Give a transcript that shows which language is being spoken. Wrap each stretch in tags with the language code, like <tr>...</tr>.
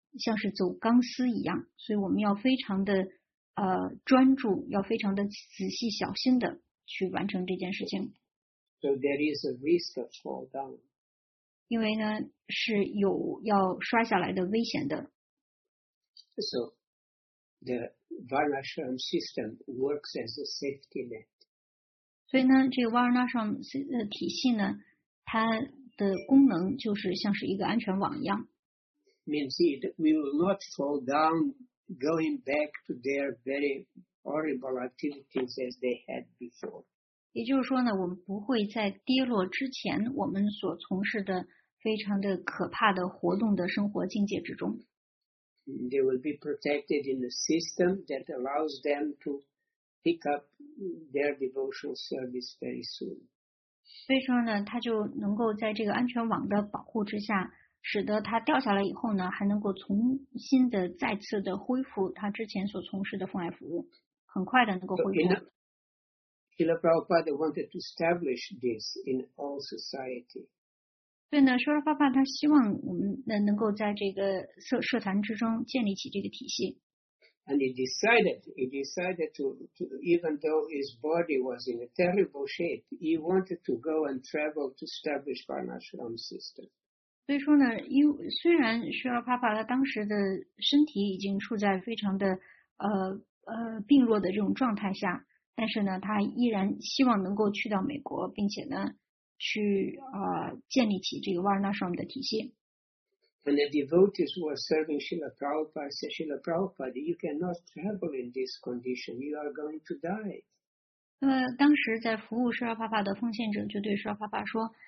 <zh>像是走钢丝一样，所以我们要非常的专注，要非常的仔细小心的去完成这件事情。</zh> <en>So there is a risk of fall down.</en> <zh>因为呢是有要摔下来的危险的。</zh> <en>So the Varnashram system works as a safety net.</en> <zh>所以呢这个 Varnashram 体系呢，它的功能就是像是一个安全网一样。</zh> <en>Means it, we will not fall down going back to their very horrible activities as they had before.</en> <zh>也就是说呢，我们不会在跌落之前我们所从事的非常的可怕的活动的生活境界之中。</zh> <en>They will be protected in a system that allows them to pick up their devotional service very soon.</en> <zh>所以说呢，他就能够在这个安全网的保护之下。使得他掉下来以后呢，还能够重新的再次的恢复他之前所从事的奉爱服务，很快的能够恢复。</zh> <en>Srila Prabhupada wanted to establish this in all society.</en> <zh>对呢，Srila Prabhupada他希望我们能够在这个社团之中建立起这个体系。</zh> <en>And he decided to even though his body was in a terrible shape, he wanted to go and travel to establish Varnashram system.</en> <zh>所以说呢，虽然舍尔帕帕他当时的身体已经处在非常的病弱的这种状态下，但是呢，他依然希望能够去到美国，并且呢，去建立起这个瓦尔纳什姆的体系。</zh> <en>When the devotees were serving Srila Prabhupada, said Srila Prabhupada, "You cannot travel in this condition. You are going to die."</en> <zh>那么当时在服务舍尔帕帕的奉献者就对舍尔帕帕说。</zh>